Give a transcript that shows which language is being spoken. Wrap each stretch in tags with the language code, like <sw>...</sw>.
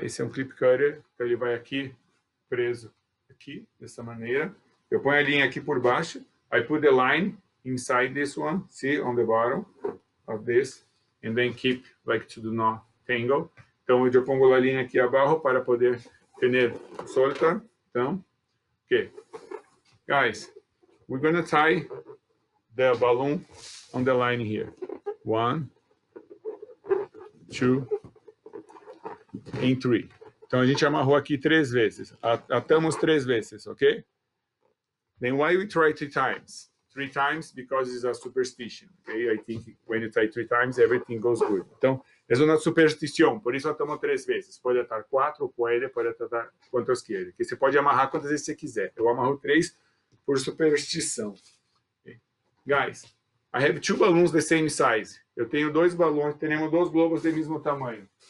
<pt>Esse é um clip cutter, então ele vai aqui, preso aqui, dessa maneira. Eu ponho a linha aqui por baixo,</pt> <en>I put the line inside this one, see, on the bottom of this, and then keep, like, to do not tangle.</en> <pt>Então, eu pongo a linha aqui abaixo para poder ter solta, então, ok.</pt> <en>Guys, we're gonna tie the balloon on the line here. One, two,</en> <pt>em 3. Então a gente amarrou aqui 3 vezes. Atamos 3 vezes, ok?</pt> <en>Then why we try 3 times? 3 times because it's a superstition, ok? I think when you tie 3 times, everything goes good.</en> <pt>Então, é uma superstição, por isso atamos 3 vezes. Pode atar 4, pode atar quantas quiser. Porque você pode amarrar quantas vezes você quiser. Eu amarro 3 por superstição. Okay?</pt> <en>Guys, I have 2 balloons the same size.</en> <pt>Eu tenho 2 balões, temos 2 globos do mesmo tamanho.</pt>